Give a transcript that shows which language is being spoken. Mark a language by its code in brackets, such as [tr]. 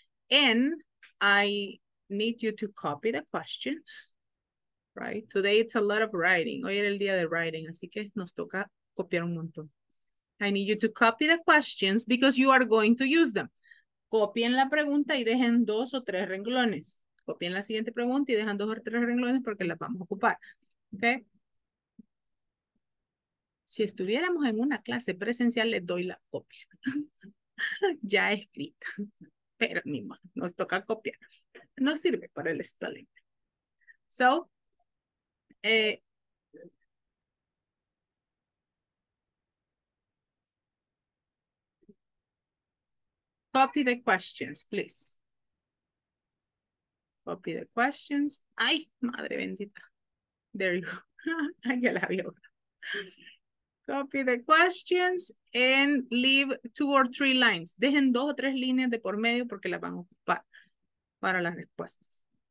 [en] And I need you to copy the questions, right? Today it's a lot of writing. [es] Hoy era el día de writing, así que nos toca copiar un montón. [en] I need you to copy the questions because you are going to use them. [es] Copien la pregunta y dejen dos o tres renglones. Copien la siguiente pregunta y dejan dos o tres renglones porque las vamos a ocupar. ¿Ok? Si estuviéramos en una clase presencial, les doy la copia. Ya escrita. Pero ni modo, nos toca copiar. No sirve para el spelling. [en] So, copy the questions, please. Copy the questions. [es] Ay, madre bendita. [en] There you go. [es] Ya la vio. [en] Copy the questions and leave two or three lines. [es] Dejen dos o tres líneas de por medio porque las van a ocupar para las respuestas.